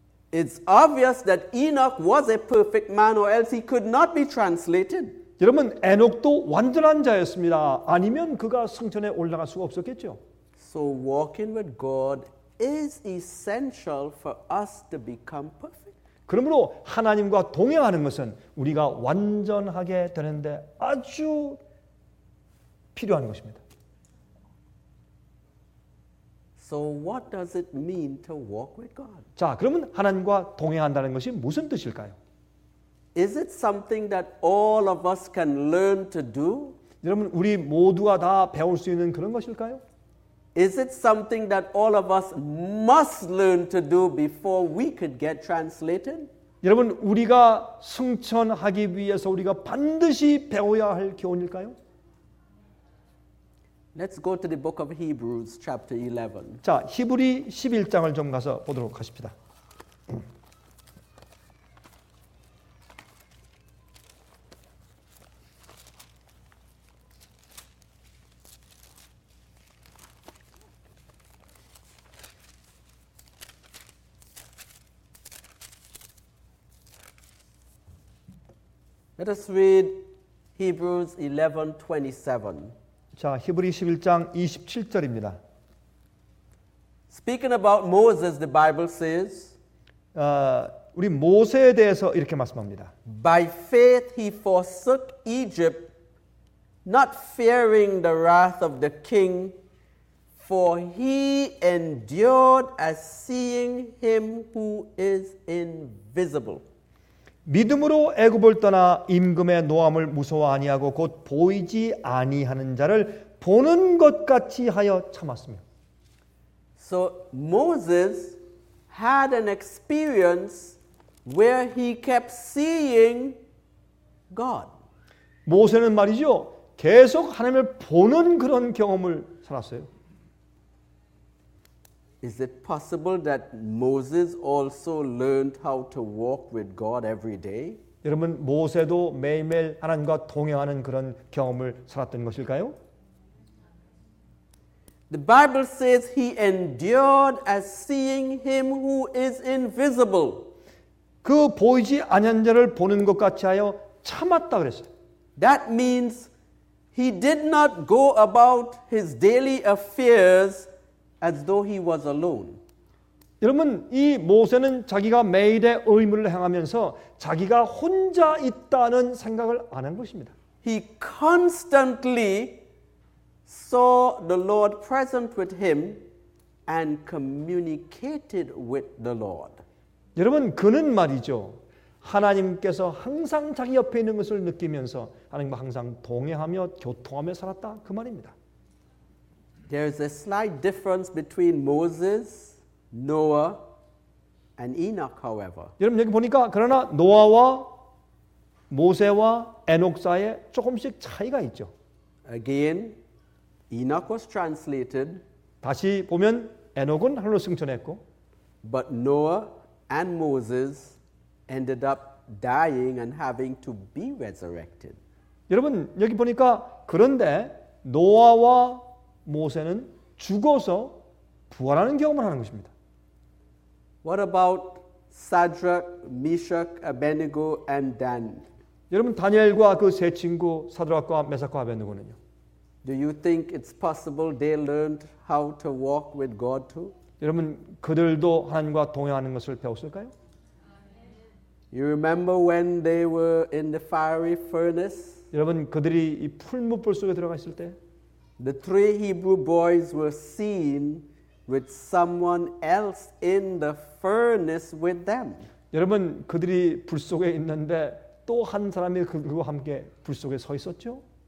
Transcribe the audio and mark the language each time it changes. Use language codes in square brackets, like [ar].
[en] It's obvious that Enoch was a perfect man or else he could not be translated. [ko] 여러분 에녹도 완전한 자였습니다. 아니면 그가 승천에 올라갈 수가 없었겠죠. [en] So walking with God is essential for us to become perfect. [ko] 그러므로 하나님과 동행하는 것은 우리가 완전하게 되는데 아주 필요한 것입니다. [en] So what does it mean to walk with God? [ko] 자, 그러면 하나님과 동행한다는 것이 무슨 뜻일까요? [en] Is it something that all of us can learn to do? [ko] 여러분, 우리 모두가 다 배울 수 있는 그런 것일까요? [en] Is it something that all of us must learn to do before we could get translated? [ko] 여러분, 우리가 승천하기 위해서 우리가 반드시 배워야 할 교훈일까요? [en] Let's go to the book of Hebrews chapter 11. [ko] 자, 히브리 11장을 좀 가서 보도록 하십니다. [en] Let us read Hebrews 11:27. [ko] 자, 히브리 11장 27절입니다. [en] Speaking about Moses, the Bible says, [ko] 우리 모세에 대해서 이렇게 말씀합니다. [en] By faith he forsook Egypt, not fearing the wrath of the king, for he endured as seeing him who is invisible. [ko] 믿음으로 애굽을 떠나 임금의 노함을 무서워 아니하고 곧 보이지 아니하는 자를 보는 것 같이 하여 참았으며. [en] So Moses had an experience where he kept seeing God. [ko] 모세는 말이죠. 계속 하나님을 보는 그런 경험을 살았어요. [en] Is it possible that Moses also learned how to walk with God every day? [ko] 여러분, 모세도 매일매일 하나님과 동행하는 그런 경험을 살았던 것일까요? [en] The Bible says he endured as seeing him who is invisible. [ko] 그 보이지 않는 자를 보는 것 같이 하여 참았다 그랬어요. [en] That means he did not go about his daily affairs as though he was alone. [ko] 여러분, 이 모세는 자기가 매일의 의무를 행하면서 자기가 혼자 있다는 생각을 안 한 것입니다. [en] He constantly saw the Lord present with him and communicated with the Lord. [ko] 여러분, 그는 말이죠. 하나님께서 항상 자기 옆에 있는 것을 느끼면서 하나님과 항상 동행하며 교통하며 살았다. 그 말입니다. [en] There is a slight difference between Moses, Noah, and Enoch, however. [ko] 여러분 여기 보니까 그러나 노아와 모세와 에녹 사이에 조금씩 차이가 있죠. [en] Again, Enoch was translated. [ko] 다시 보면 에녹은 하늘로 승천했고, [en] but Noah and Moses ended up dying and having to be resurrected. [ko] 여러분 여기 보니까 그런데 노아와 모세는 죽어서 부활하는 경험을 하는 것입니다. [en] What about Shadrach, Meshach, Abednego and Dan? [ko] 여러분 다니엘과 그 세 친구 사드락과 메삭과 아벳느고는요? [en] Do you think it's possible they learned how to walk with God too? [ko] 여러분 그들도 하나님과 동행하는 것을 배웠을까요? [en] You remember when they were in the fiery furnace? [ko] 여러분 그들이 이 풀무불 속에 들어가 있을 때 [en] The three Hebrew boys were seen with someone else in the furnace with them. [ko] 여러분, 그들이 불 속에 있는데 또 한 사람이 그들과 함께 불 속에 서 있었죠?